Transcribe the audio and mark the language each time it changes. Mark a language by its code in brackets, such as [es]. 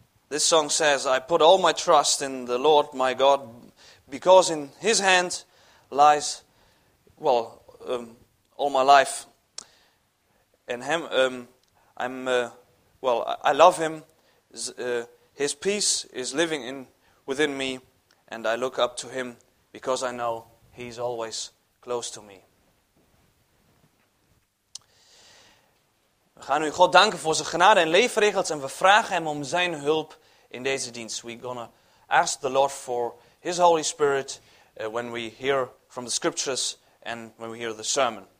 [en] This song says, I put all my trust in the Lord my God, because in his hand lies, all my life. In him, I love him, his peace is living within me, and I look up to him because I know he's always close to me. [nl] We gaan u God danken voor zijn genade en leefregels en we vragen hem om zijn hulp in deze dienst. [en] We're going to ask the Lord for his Holy Spirit when we hear from the scriptures and when we hear the sermon.